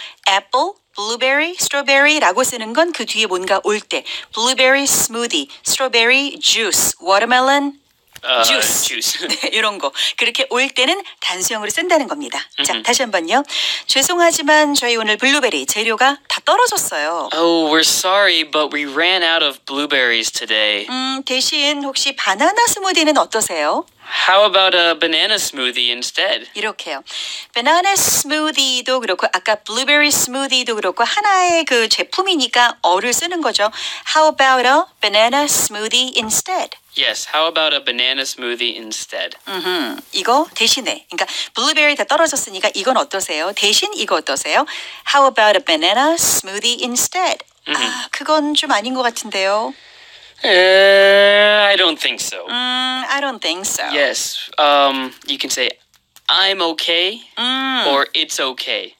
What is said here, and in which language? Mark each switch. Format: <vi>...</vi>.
<ko>Apple, blueberry, strawberry라고 쓰는 건 그 뒤에 뭔가 올 때.</ko> <en>Blueberry smoothie, strawberry juice, watermelon juice.</en> <ko>네, 이런 거. 그렇게 올 때는 단수형으로 쓴다는 겁니다. Mm-hmm. 자, 다시 한번요. 죄송하지만 저희 오늘 블루베리 재료가 다 떨어졌어요.</ko> <en>Oh, we're sorry, but we ran out of blueberries today.</en> <ko>대신 혹시 바나나 스무디는 어떠세요?</ko> <en>How about a banana smoothie instead?</en> <ko>이렇게요. Banana smoothie도 그렇고 아까 blueberry smoothie도 그렇고 하나의 그 제품이니까 어를 쓰는 거죠.</ko> <en>How about a banana smoothie instead? Yes, how about a banana smoothie instead?</en> <ko>Mm-hmm. 이거 대신에. 그러니까 blueberry 다 떨어졌으니까 이건 어떠세요? 대신 이거 어떠세요?</ko> <en>How about a banana smoothie instead? Mm-hmm.</en> <ko>아, 그건 좀 아닌 것 같은데요.</ko> <en>I don't think so. I don't think so. Yes. You can say, I'm okay, or it's okay.</en>